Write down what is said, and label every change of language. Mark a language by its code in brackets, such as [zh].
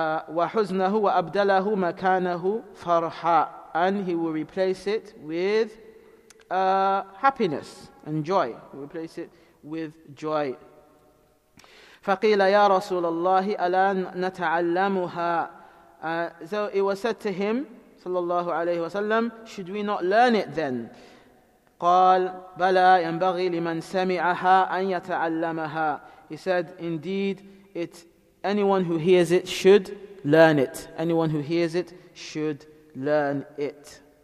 [ar] وَحُزْنَهُ وَأَبْدَلَهُ مَكَانَهُ فَرْحًا, [en] and he will replace it with happiness and joy. He will replace it with joy. [ar] فَقِيلَ يَا رَسُولَ اللَّهِ أَلَا نَتَعَلَّمُهَا. [en] So it was said to him, [ar] صلى الله عليه وسلم, [en] should we not learn it then? [ar] قال بلى ينبغي لمن سمعها أن يتعلمها. [en] He said, indeed, anyone who hears it should learn it. Anyone who hears it should learn it.